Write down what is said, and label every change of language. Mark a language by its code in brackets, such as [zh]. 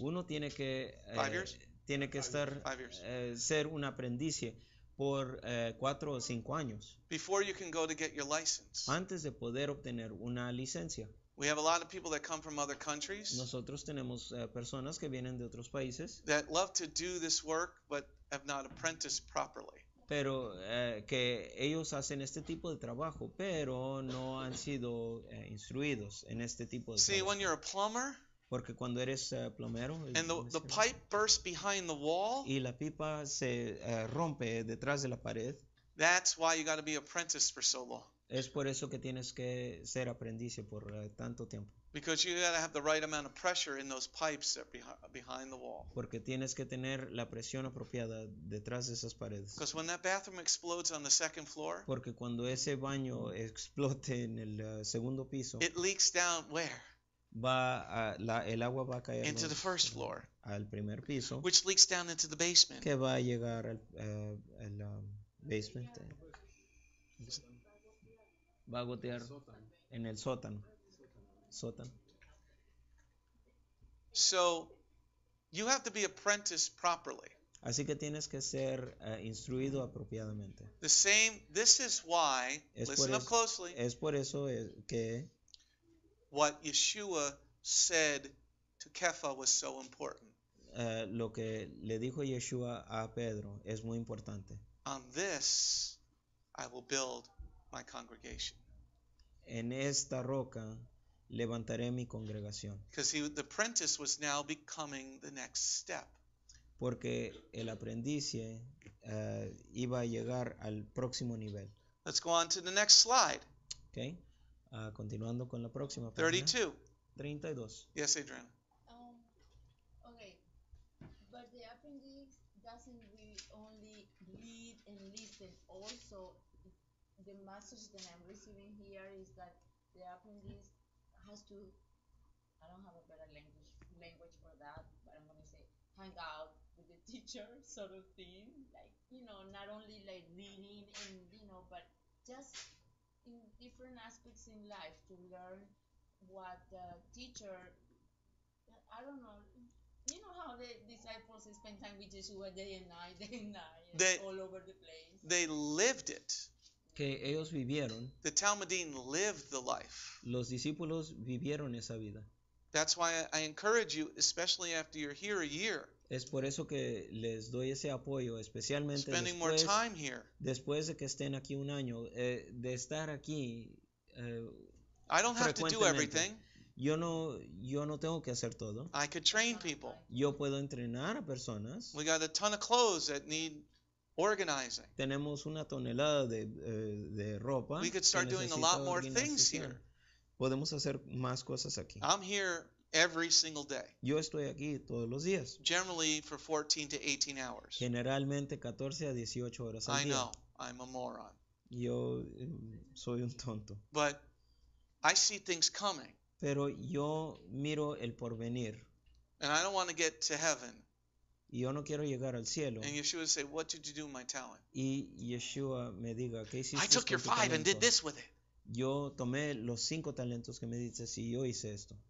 [es] Uno tiene que, tiene que estar, ser un aprendiz por 4 o 5 años. [en] Before you can go to get your license. [es] Antes de poder obtener una licencia. [en] We have a lot of people that come from other countries. [es] Nosotros tenemos personas que vienen de otros países. [en] That love to do this work but have not apprenticed properly. [es] Pero que ellos hacen este tipo de trabajo, pero no han sido instruidos en este tipo de [en] See, [es] trabajo. [en] See, when you're a plumber, [es] porque cuando eres plomero, [en] and the pipe bursts behind the wall, [es] y la pipa se rompe detrás de la pared, [en] that's why you got to be apprenticed for so long. [es] Es por eso que tienes que ser aprendiz por tanto tiempo. [en] Because you gotta have the right amount of pressure in those pipes that behind the wall. [es] Porque tienes que tener la presión apropiada detrás de esas paredes. [en] Because when that bathroom explodes on the second floor, [es] porque cuando ese baño explote en el segundo piso, [en] it leaks down where? [es] Va a, la, el agua va a caer [en] into los, the first floor, [es] al primer piso, [en] which leaks down into the basement. [es] Que va a llegar al el, basement. Va a gotear en el sótano. Sótano. [en] So, you have to be apprenticed properly. [es] Así que tienes que ser instruido apropiadamente. [en] The same, this is why, [es] es [en] listen [es] eso, [en] up closely, [es] es por eso que [en] what Yeshua said to Kepha was so important. [es] Lo que le dijo Yeshua a Pedro es muy importante. [en] On this, I will build my congregation. [es] En esta roca levantaré mi congregación. [en] Because he, the apprentice was now becoming the next step. [es] Porque el aprendiz iba a llegar al próximo nivel. [en] Let's go on to the next slide. [es] Okay. Continuando con la próxima. [en] 32. [es] Página. 32. [en] Yes, Adriana. Okay. But the apprentice doesn't only read and listen, also the message that I'm receiving here is that the apprentice has to, I don't have a better language for that, but I'm going to say hang out with the teacher sort of thing. Like, you know, not only like reading and, you know, but just in different aspects in life to learn what the teacher, I don't know. You know how the disciples spend time with Yeshua day and night, they, all over the place. They lived it. [es] Que ellos vivieron. [en] The Talmudim lived the life. [es] Los discípulos vivieron esa vida. [en] That's why I encourage you, especially after you're here a year. [es] Es por eso que les doy ese apoyo, especialmente [en] spending [es] después, [en] more time here. [es] Después de que estén aquí un año, de estar aquí. [en] I don't have to do everything. [es] Yo no tengo que hacer todo. [en] I could train people. [es] Yo puedo entrenar a personas. [en] We got a ton of clothes that need organizing. [es] Tenemos una tonelada de ropa. [en] We could start doing a lot more things here. [es] Podemos hacer más cosas aquí. [en] I'm here every single day. [es] Yo estoy aquí todos los días. [en] Generally for 14 to 18 hours. [es] Generalmente 14 a 18 horas al [en] día. I know, I'm a moron. [es] Yo soy un tonto. [en] But I see things coming. [es] Pero yo miro el porvenir. [en] And I don't want to get to heaven. [es] Y yo no quiero llegar al cielo. [en] And Yeshua would say, what did you do with my talent? [es] Y Yeshua me diga, ¿qué hiciste? [en] I took your five and did this with it. [es] Yo tomé los 5 talentos que me dices y yo hice esto.